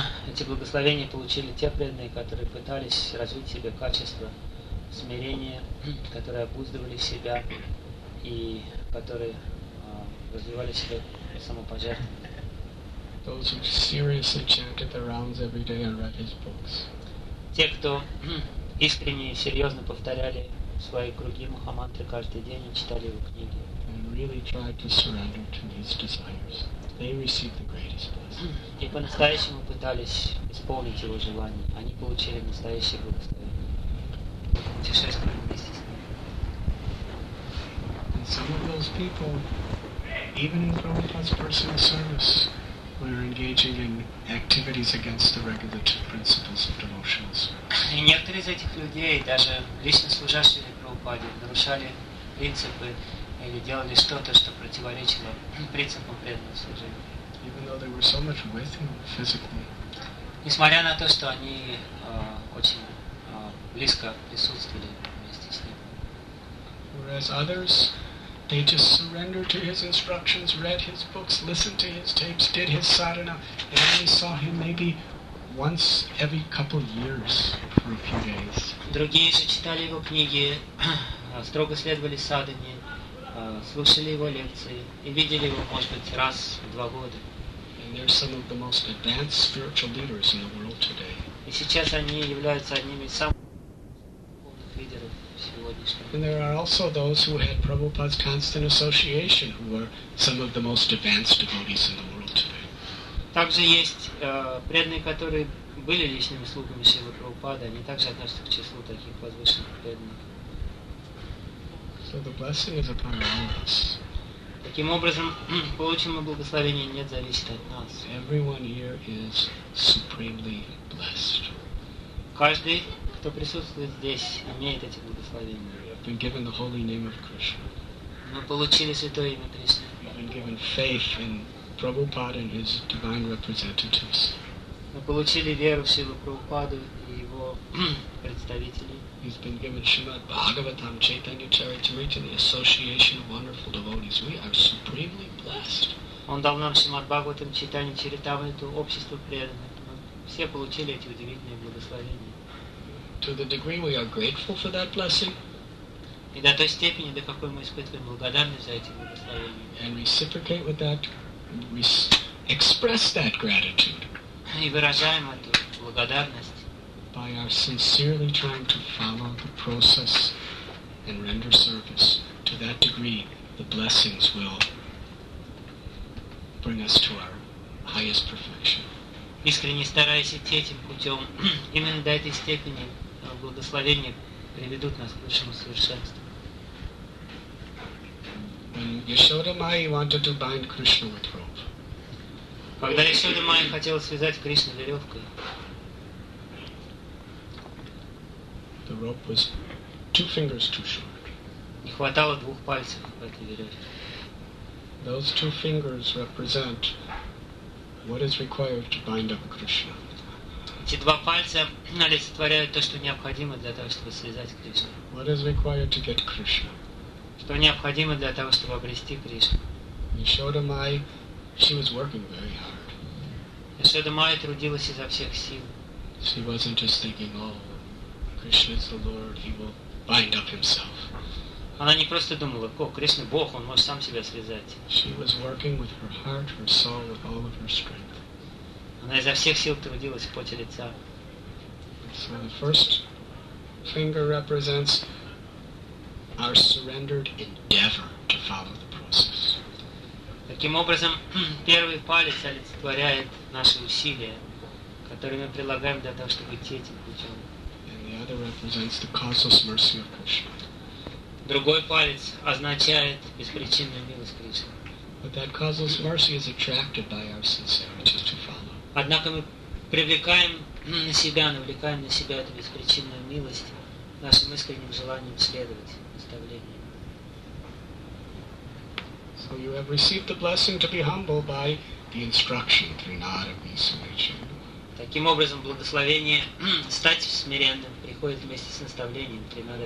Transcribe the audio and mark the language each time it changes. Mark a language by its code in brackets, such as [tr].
[ru] Эти благословения получили те преданные, которые пытались развить в себе качество смирения, которые обуздывали себя и которые развивали себя самопожертвование. [en] Those who seriously chanted their rounds every day and read his books. [ru] Те, кто искренне и серьезно повторяли свои круги Махамантры каждый день и читали его книги. [en] And really tried to surrender to his desires. They received the greatest blessing. [ru] И по-настоящему пытались исполнить его желание. Они получили настоящее благословение. [en] And some of those people, even in Prabhupada's personal service, were engaging in activities against the regulative principles of devotional service. [ru] И некоторые из этих людей, даже лично служащие Прабхупаде, нарушали принципы или делали что-то, что противоречило принципам преданного служения. [en] Even though they were so much with him physically. [ru] Несмотря на то, что они очень близко присутствовали вместе с ним. [en] Whereas others, they just surrendered to his instructions, read his books, listened to his tapes, did his sadhana, and only saw him maybe once every couple years for a few days. [ru] Другие же читали его книги, строго следовали садхане, слушали его лекции и видели его, может быть, раз в два года. [en] And they're some of the most advanced spiritual leaders in the world today. [ru] И сейчас они являются одними из самых духовных лидеров сегодняшнего. [en] And there are also those who had Prabhupada's constant association who were some of the most advanced devotees in the world today. [ru] Также есть преданные, которые были личными слугами Шрилы Прабхупады, они также относятся к числу таких возвышенных преданных. [en] So the blessing is upon all of us. [ru] Таким образом, получим мы благословение, нет, зависит от нас. [en] Everyone here is supremely blessed. [ru] Каждый, кто присутствует здесь, имеет эти благословения. [en] We have been given the holy name of Krishna. [ru] Мы получили святое имя Кришны. [en] We have been given faith in Prabhupada and his divine representatives. [ru] Мы получили веру в Шрилу Прабхупаду и его представителей. [en] He's been given Srimad Bhagavatam, Chaitanya Charitamrita, the association of wonderful devotees. We are supremely blessed. [ru] Он дал нам Srimad Bhagavatam, Chaitanya Charitamrita, общество преданных. Мы все получили эти удивительные благословения. [en] To the degree we are grateful for that blessing. [ru] И до той степени, до какой мы испытываем благодарность за эти благословения. [en] And reciprocate with that, we express that gratitude. [ru] И выражаем эту благодарность. [en] By our sincerely trying to follow the process and render service, to that degree, the blessings will bring us to our highest perfection. [ru] Искренне стараясь идти этим путем, именно до этой степени благословения приведут нас к высшему совершенству. [en] When Yashoda Mai wanted to bind Krishna with rope, [ru] когда Yashoda Mai хотела связать Кришну веревкой. [en] The rope was two fingers too short. [ru] Не хватало двух пальцев в этой веревке. [en] Those two fingers represent what is required to bind up Krishna. [ru] Эти два пальца олицетворяют то, что необходимо для того, чтобы связать Кришну. [en] What is required to get Krishna? [ru] Что необходимо для того, чтобы обрести Кришну? [en] Yashoda Mai, she was working very hard. [ru] Ясода Майя трудилась изо всех сил. [en] She wasn't just thinking, oh, Krishna is the Lord, he will bind up himself. [ru] Она не просто думала, о, Кришна Бог, он может сам себя связать. [en] She was working with her heart, her soul, with all of her strength. [ru] Она изо всех сил трудилась в поте лица. [en] So the first finger represents our surrendered endeavor to follow the process. [ru] Таким образом, первый палец олицетворяет наши усилия, которые мы прилагаем для того, чтобы идти этим путем. [en] And the other represents the causeless mercy of Krishna. [ru] Другой палец означает беспричинную милость Кришны. [en] But that causeless mercy is attracted by our sincerity to follow. [ru] Однако мы привлекаем на себя, навлекаем на себя эту беспричинную милость нашим искренним желанием следовать наставлениям. [en] So you have received the blessing to be humble by the instruction through Nara Visvanatha. [ru] Таким образом, благословение стать смиренным приходит вместе с наставлением Тринада